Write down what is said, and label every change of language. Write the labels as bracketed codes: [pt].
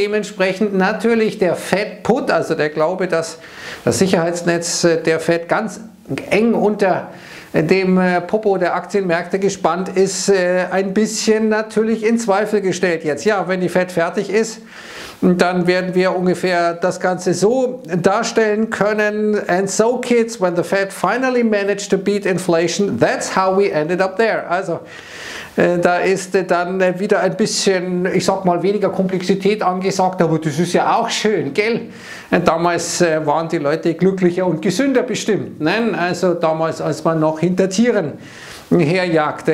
[de] Dementsprechend natürlich der Fed-Put, also der Glaube, dass das Sicherheitsnetz der Fed ganz eng unter dem Popo der Aktienmärkte gespannt ist, ein bisschen natürlich in Zweifel gestellt jetzt. Ja, wenn die Fed fertig ist, dann werden wir ungefähr das Ganze so darstellen können. [en] And so, kids, when the Fed finally managed to beat inflation, that's how we ended up there. [de] Also, da ist dann wieder ein bisschen, ich sag mal, weniger Komplexität angesagt, aber das ist ja auch schön, gell? Damals waren die Leute glücklicher und gesünder bestimmt, ne? Also damals, als man noch hinter Tieren herjagte.